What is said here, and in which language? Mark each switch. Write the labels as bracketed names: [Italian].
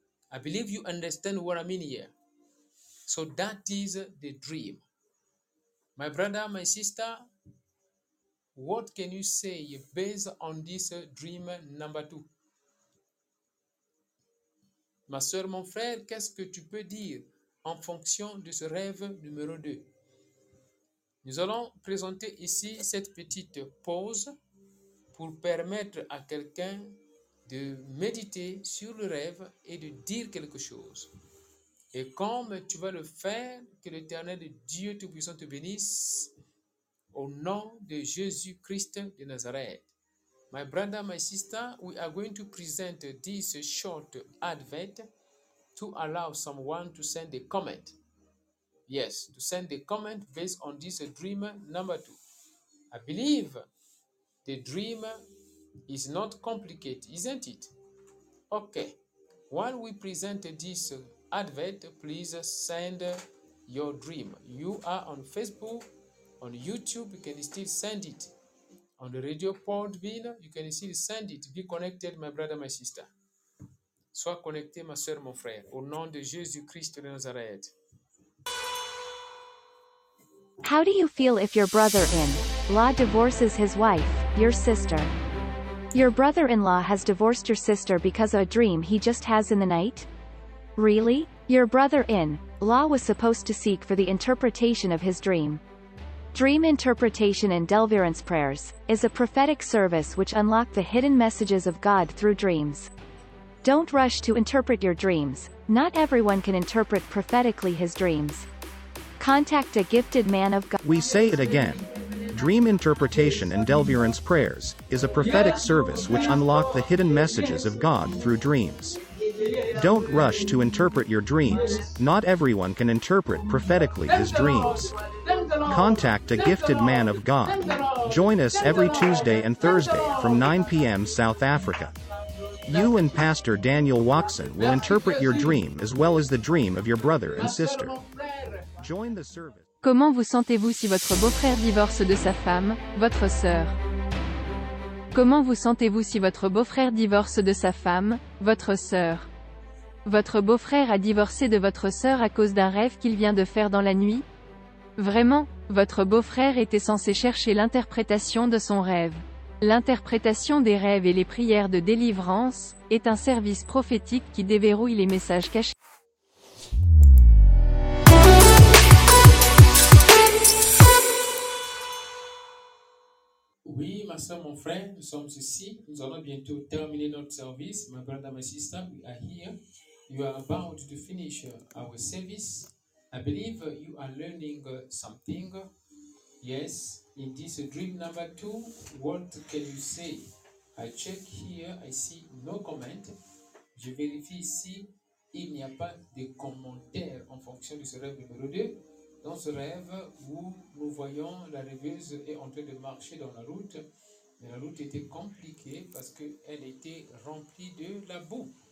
[English] I believe you understand what I mean here. So that is the dream. My brother, my sister, what can you say based on this dream number two? [French] Ma soeur, mon frère, qu'est-ce que tu peux dire en fonction de ce rêve numéro 2? Nous allons présenter ici cette petite pause pour permettre à quelqu'un de méditer sur le rêve et de dire quelque chose. Et comme tu vas le faire, que l'Éternel Dieu Tout-Puissant te bénisse au nom de Jésus-Christ de Nazareth. [English] My brother, my sister, we are going to present this short advert to allow someone to send a comment. Yes, to send a comment based on this dream number 2. I believe the dream is not complicated, isn't it? Okay, while we present this advert, please send your dream. You are on Facebook, on YouTube, you can still send it. On the radio Podbean, you can still send it. Be connected, my brother, my sister. [French] Sois connecté, ma soeur, mon frère, au nom de Jésus-Christ de Nazareth. [English] How do you feel if your brother-in-law divorces his wife, your sister? Your brother-in-law has divorced your sister because of a dream he just has in the night? Really? Your brother-in-law was supposed to seek for the interpretation of his dream. Dream interpretation and Delverance prayers is a prophetic service which unlock the hidden messages of God through dreams. Don't rush to interpret your dreams. Not everyone can interpret prophetically his dreams. Contact a gifted man of God. We say it again. Dream interpretation and Delverance prayers is a prophetic service which unlock the hidden messages of God through dreams. Don't rush to interpret your dreams. Not everyone can interpret prophetically his dreams. Contact a gifted man of God. Join us every Tuesday and Thursday from 9 p.m. South Africa. You and Pastor Daniel Watson will interpret your dream as well as the dream of your brother and sister. Join the service. [French] Comment vous sentez-vous si votre beau-frère divorce de sa femme, votre sœur? Comment vous sentez-vous si votre beau-frère divorce de sa femme, votre sœur? Votre beau-frère a divorcé de votre sœur à cause d'un rêve qu'il vient de faire dans la nuit? Vraiment, votre beau-frère était censé chercher l'interprétation de son rêve. L'interprétation des rêves et les prières de délivrance est un service prophétique qui déverrouille les messages cachés. Oui, ma soeur, mon frère, nous sommes ici. Nous allons bientôt terminer notre service. [English] My brother, my sister, we are here. You are about to finish our service. I believe you are learning something. Yes, in this dream number 2, what can you say? I check here, I see no comment. [French] Je vérifie ici, il n'y a pas de commentaire en fonction de ce rêve numéro 2. Dans ce rêve où nous voyons la rêveuse est en train de marcher dans la route, mais la route était compliquée parce qu'elle était remplie de la boue.